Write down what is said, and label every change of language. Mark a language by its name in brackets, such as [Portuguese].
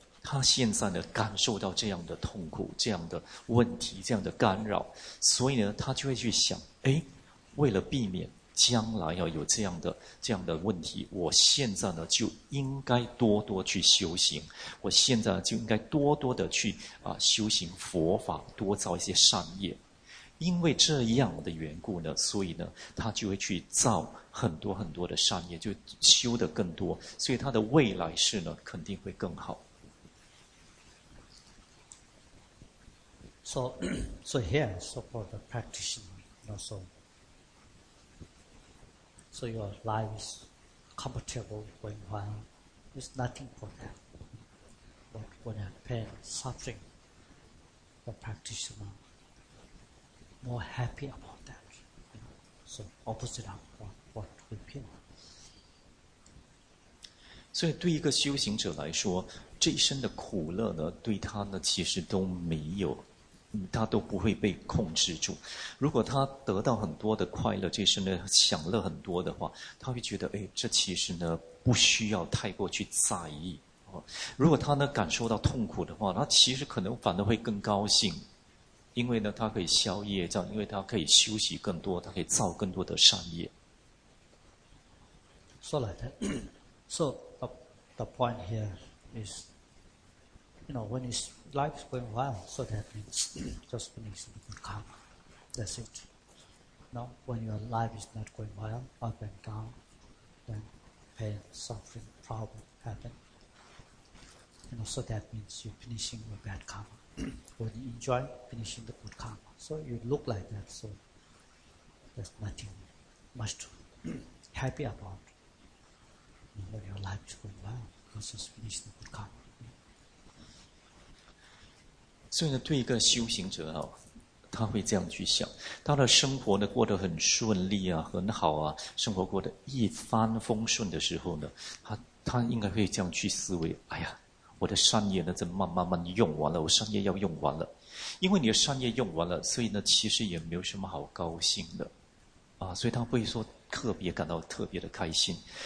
[Chinese] 他现在呢感受到这样的痛苦，这样的问题，这样的干扰，所以呢他就会去想，诶，为了避免将来要有这样的问题，我现在呢就应该多多去修行，我现在就应该多多的去修行佛法，多造一些善业，因为这样的缘故呢，所以呢他就会去造很多很多的善业，就修得更多，所以他的未来世呢肯定会更好。 [English] So here, so for the practitioner, you know, so your life is comfortable, going fine, there's nothing for that. But when you have pain, suffering, the practitioner more happy about that. You know, so opposite of what we feel. [Chinese] 所以对一个修行者来说，这一生的苦乐呢，对他呢，其实都没有。他都不会被控制住，如果他得到很多的快乐，这是呢享乐很多的话，他会觉得诶，这其实呢不需要太过去在意，如果他呢感受到痛苦的话，他其实可能反而会更高兴，因为呢他可以消业障，因为他可以休息更多，他可以造更多的善业。 [English] So the point here is, you know, when it'sLife's going well, so that means just finishing the good karma. That's it. Now, when your life is not going well, up and down, then pain, suffering, problem happen. You know, so that means you're finishing your bad karma. When you enjoy finishing the good karma. So you look like that, so There's nothing much to be happy about. Your life is going well because it's finished in good karma. [Chinese] 所以呢，对一个修行者啊，他会这样去想：，他的生活呢过得很顺利啊，很好啊，生活过得一帆风顺的时候呢，他应该会这样去思维：，哎呀，我的善业呢正慢慢用完了，我善业要用完了，因为你的善业用完了，所以呢，其实也没有什么好高兴的，啊，所以他不会说特别感到特别的开心。